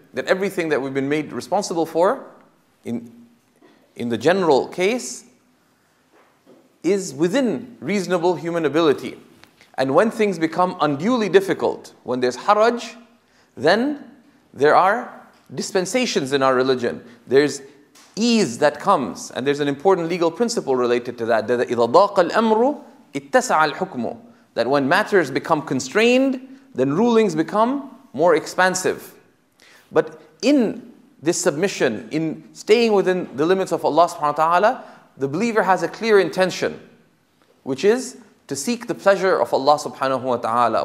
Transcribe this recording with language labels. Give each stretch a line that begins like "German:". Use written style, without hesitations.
English: That everything that we've been made responsible for, in the general case, is within reasonable human ability. And when things become unduly difficult, when there's haraj, then there are dispensations in our religion. There's ease that comes. And there's an important legal principle related to that.
Arabic: That إِذَا ضَاقَ الْأَمْرُ اِتَّسَعَ الْحُكْمُ.
English: That when matters become constrained, then rulings become more expansive. But in this submission, in staying within the limits of Allah subhanahu wa ta'ala, the believer has a clear intention, which is to seek the pleasure of Allah subhanahu wa ta'ala.